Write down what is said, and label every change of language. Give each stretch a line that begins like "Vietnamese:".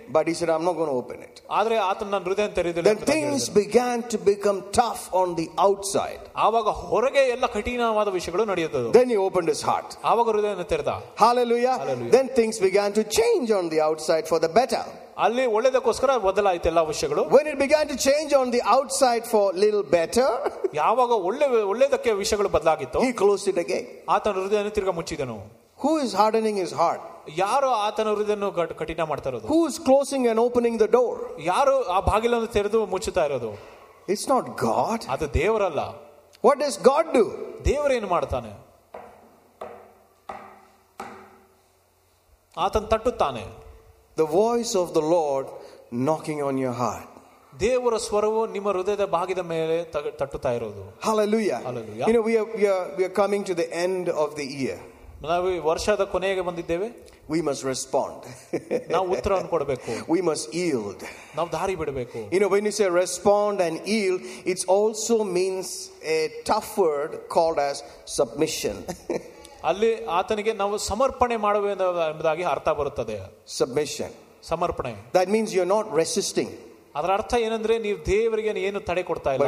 English: But he said, I'm not going to open it.
Kannada: ಆದರೆ ಆತನ ನನ್ನ ಹೃದಯ ತೆರೆಯುವುದಿಲ್ಲ.
English: Then things began to become tough on the outside.
Kannada: ಆವಾಗ ಹೊರಗೆ ಎಲ್ಲ ಕಠಿಣವಾದ ವಿಷಯಗಳು ನಡೆಯುತ್ತದೆ.
English: Then he opened his heart.
Kannada: ಆವಾಗ ಹೃದಯವನ್ನು ತೆರೆದ.
English: Hallelujah. Then things began to change on the outside for the better.
Kannada: ಅಲ್ಲಿ ಒಳ್ಳೆದಕ್ಕೋಸ್ಕರ ಬದಲಾಯಿತು ಎಲ್ಲ ವಿಷಯಗಳು.
English: When it began to change on the outside for little better,
Kannada: ಯಾವಾಗ ಒಳ್ಳೆದಕ್ಕೆ ವಿಷಯಗಳು ಬದಲಾಗಿತ್ತು,
English: he closed it again.
Kannada: ಆತನ ಹೃದಯವನ್ನು ತಿರುಗಾ ಮುಚ್ಚಿದನು.
English: Who is hardening his heart?
Kannada: ಯಾರು ಆತನ ಹೃದಯವನ್ನು ಕಠಿಣ ಮಾಡ್ತಾ ಇರೋದು?
English: Who is closing and opening the door?
Kannada: ಯಾರು ಆ ಬಾಗಿಲನ್ನು ತೆರೆದು ಮುಚ್ಚುತ್ತಾ ಇರೋದು?
English: It's not God.
Kannada: ಅದು ದೇವರಲ್ಲ.
English: What does God do?
Kannada: ದೇವರು ಏನು ಮಾಡ್ತಾನೆ? ಆತನ ತಟ್ಟುತ್ತಾನೆ.
English: The voice of the Lord knocking on your heart.
Kannada: Devara swaravu nimma hrudayada bagida mele tattuta irodu.
English: Hallelujah. Hallelujah. You know, we are coming to the end of the year.
Kannada: Manavi varshada konege bandiddeve.
English: We must respond.
Kannada: Now uttaravannu kodabeku.
English: We must yield.
Kannada: Now dari bidabeku.
English: You know, when you say respond and yield, it also means a tough word called as submission.
Kannada: ಅಲ್ಲಿ ಆತನಿಗೆ ನಾವು ಸಮರ್ಪಣೆ ಮಾಡುವೆ ಎಂಬುದಾಗಿ ಅರ್ಥ ಬರುತ್ತದೆ.
English: submission,
Kannada: ಸಮರ್ಪಣೆ.
English: That means you are not resisting.
Kannada: ಅದರ ಅರ್ಥ ಏನಂದ್ರೆ ನೀವು ದೇವರಿಗೆ ಏನು ತಡೆ ಕೊಡ್ತಾ ಇಲ್ಲ.